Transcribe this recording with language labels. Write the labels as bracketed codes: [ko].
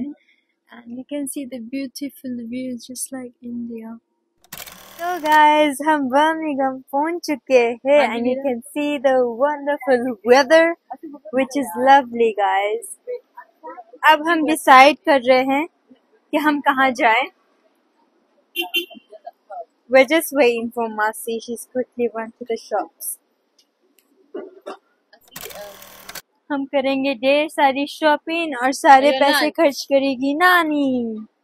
[en] and you can see the beautiful view just like India So guys, [hi] हम Birmingham पहुंच चुके हैं [en] and you can see the wonderful weather which is lovely guys. [hi] अब हम decide कर रहे हैं कि हम कहाँ जाएं. [en] We're just waiting for Masi. She's quickly run to the shops. [hi] हम करेंगे ढेर सारी shopping और सारे पैसे खर्च करेगी नानी.